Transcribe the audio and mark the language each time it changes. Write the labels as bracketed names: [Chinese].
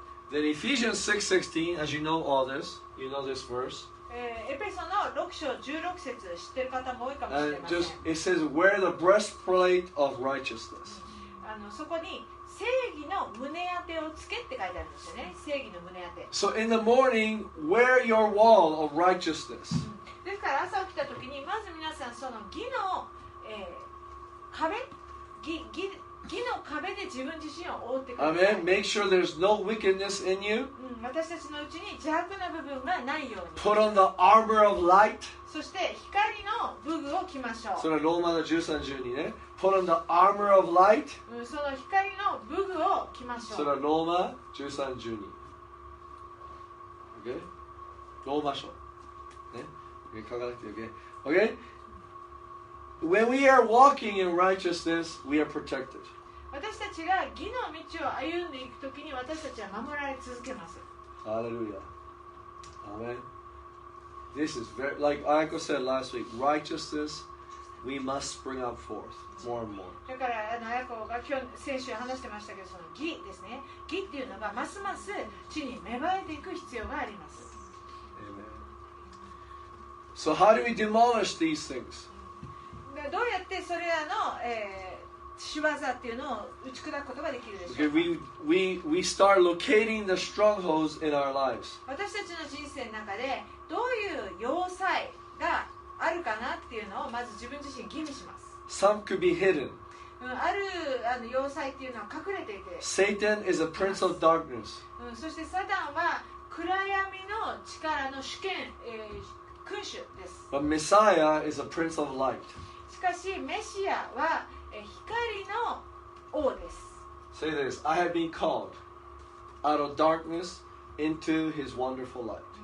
[English] Then Ephesians 6:16, as you know all this, you know this verse. [Japanese] エペソの6章16節知ってる方も多いかもしれません。 [English] Just it says, "Wear the breastplate of righteousness." [Japanese] そこに正義の胸当てをつけって書いてあるんですよね。正義の胸当て。 [English] So in the morning, wear your wall of righteousness. [Japanese] ですから朝起きた時にまず皆さんその義の、壁、義の壁で自分自身を覆ってください。 [English] Amen. Make sure there's no wickedness in you. [Japanese] 私たちのうちに邪悪な部分がないように。 [English] Put on the armor of light. [Japanese] そして光の武具を着ましょう。それローマの13:12ね。 [English] Put on the armor of light. [Japanese] その光の武具を着ましょう。それローマ13:12。 OK? ローマ書。ね。OK? 書かなくて OK? OK? [English] When we are walking in righteousness, we are protected. [Japanese] 私たちが義の道を歩んでいくときに私たちは守られ続けます。 [English] Hallelujah. Amen. This is very, like Ayako said last week, righteousness We must spring up forth more and more. [Japanese] だからあのアヤコが今日先週話してましたけど、その義ですね。義っていうのがますます地に芽生えていく必要があります。 [English] Amen. So how do we demolish these things? [Japanese] どうやってそれらの、仕業っていうのを打ち砕くことができるでしょうか。 [English] Okay, we start locating the strongholds in our lives. [Japanese] 私たちの人生の中でどういう要塞があるかなっていうのをまず自分自身吟味します。 [English] Some could be hidden. [Japanese] ある要塞っていうのは隠れていて。 [English] Satan is a prince of darkness. [Japanese] そしてサタンは暗闇の力の主権、君主です。 [English] But Messiah is a prince of light. [Japanese] しかしメシアは光の王です。 [English] Say this: I have been called out of darkness into His wonderful light.